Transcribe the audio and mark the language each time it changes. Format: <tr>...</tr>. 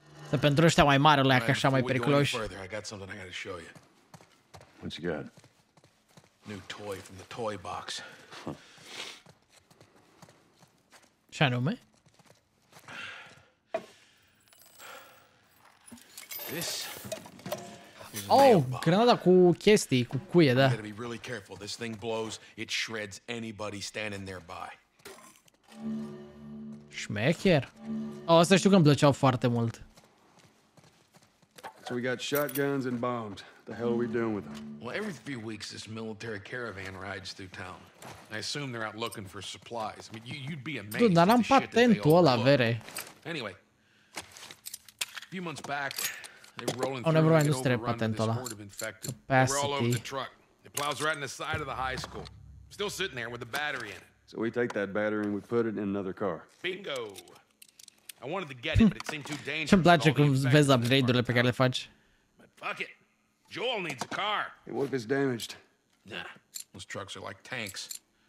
<ro>Dar pentru ăștia mai mari, alea, așa mai periculoși.</ro> <en>Further, I got something I gotta show you. What you got? New toy from the toy box.</en> <ro>Ce anume?</ro> <en>This.</en> <ro>Oh, granada cu chestii, cu cuie, da.</ro> <en>You gotta be really careful. This thing blows, it shreds anybody standing nearby.</en> <ro>Șmecher. Oh, asta știu că îmi plăceau foarte mult.</ro> <en>So we got shotguns and bombs. The hell are we doing with them? Well, every few weeks this military caravan rides through town. I assume they're out looking for supplies. I mean, you'd be amazed.</en> <ro>Dude, dar am patentul ăla, vere.</ro> <en>Anyway, a few months back, they were rolling through and overrun this horde of infected. Capacity. They were all over the truck. It plows right in the side of the high school. Still sitting there with the battery in it. So we take that battery and we put it in another car. Bingo! I wanted to get it, but it seemed too dangerous.</en> <ro>Ce-mi place cum vezi upgrade-urile pe care le faci.</ro> <en>But fuck it! Joel needs a car. Hey, what if it's damaged? Nah, those trucks are like tanks.</en>